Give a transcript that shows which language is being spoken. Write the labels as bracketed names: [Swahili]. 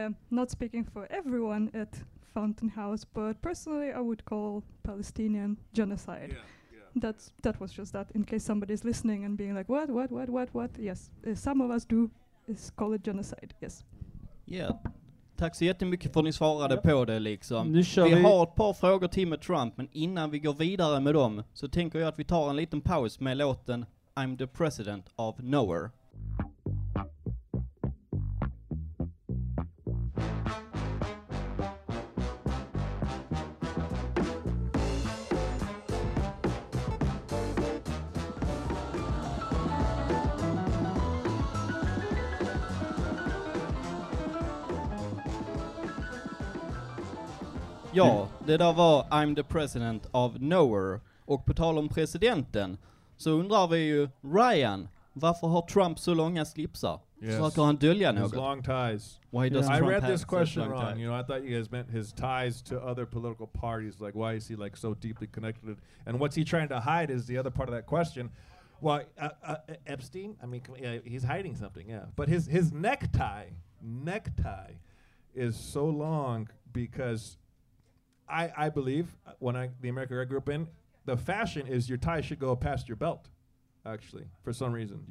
[English] not speaking for everyone at Fountain House, but personally, I would call Palestinian genocide. Yeah, yeah. That was just that. In case somebody's listening and being like, "What?" Yes, some of us do. Is call it genocide? Yes. Yeah. [Swedish] Tack så jättemycket för att ni svarade på det. Liksom. Vi har ett par frågor till med Trump, men innan vi går vidare med dem, så tänker jag att vi tar en liten paus med låten "I'm the President of Nowhere". [English] We'll be right back. [Swedish] Ja, det där var I'm the president of nowhere. Och på tal om presidenten så undrar vi ju, Ryan, varför har Trump så långa slipsar? Yes. Så kan han dölja något. [English] His long ties. Why yeah. does I Trump read this question wrong. You know, I thought you guys meant his ties to other political parties. Like, why is he like so deeply connected? And what's he trying to hide is the other part of that question. Well, Epstein, I mean, he's hiding something, yeah. But his necktie is so long because I believe when the America I grew up in, the fashion is your tie should go past your belt, actually, for some reason.